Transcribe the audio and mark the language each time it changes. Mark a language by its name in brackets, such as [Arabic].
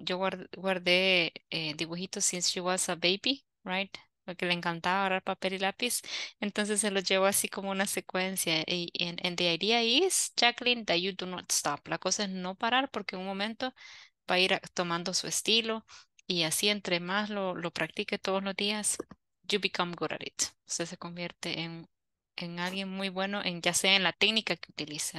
[Spanish] Yo guardé dibujitos [English] since she was a baby, right? [Spanish] Porque le encantaba agarrar papel y lápiz. Entonces se los llevo así como una secuencia. [English] And the idea is, Jacqueline, that you do not stop. [Spanish] La cosa es no parar porque en un momento va a ir tomando su estilo. Y así entre más lo practique todos los días, [English] you become good at it. [Spanish] Usted se convierte en alguien muy bueno, en ya sea en la técnica que utilice.